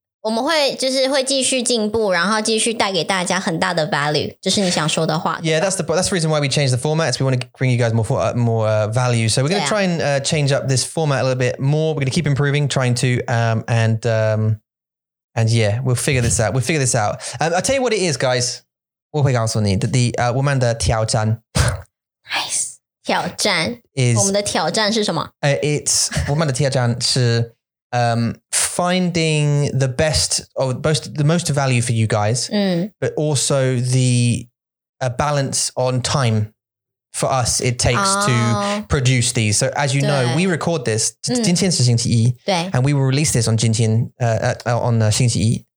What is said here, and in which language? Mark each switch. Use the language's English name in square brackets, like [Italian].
[Chinese] 我们会就是会继续进步，然后继续带给大家很大的 value， 就是你想说的话。 [English] Yeah, that's the reason why we changed the format. We want to bring you guys more value. So we're going to try and change up this format a little bit more. We're going to keep improving, trying to and yeah, we'll figure this out. We'll figure this out. I'll tell you what it is, guys. [Chinese] 我会告诉你的 我们的挑战。 [English] Nice. 挑战 is [Chinese] 我们的挑战是什么？ [English] It's [Chinese] 我们的挑战是 [English] finding the best or most value for you guys, but also the a balance on time for us it takes to produce these. So as you know, we record this, [Chinese] 今天是星期一, [English] and we will release this on 今天, on 星期一.